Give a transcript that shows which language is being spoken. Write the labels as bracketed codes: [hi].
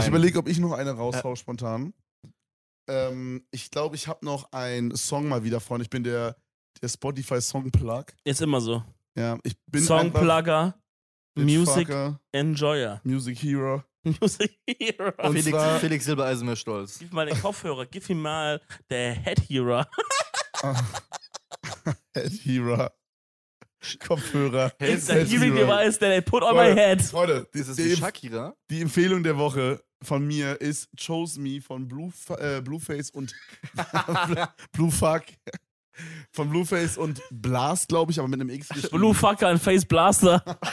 [de] Ich überlege, ob ich noch eine raushaue spontan. Ich glaube, ich habe noch einen Song mal wieder, Freunde. Ich bin der Spotify Songplug. Ist immer so. Ja, ich bin [en] Songplugger, Music Enjoyer. Music Hero. [de] Und Felix Silbereisen wäre stolz. Gib mal den Kopfhörer, gib ihm mal der Head Hero. Head Hero. Kopfhörer. [en] It's a hearing device that I put on my head. [de] Freunde, das ist wie Shakira. Die Empfehlung der Woche von mir ist Chose Me von Blueface und Bluefuck. Von Blueface und Blast, glaube ich, aber mit einem X geschrieben. Bluefucker und Face Blaster.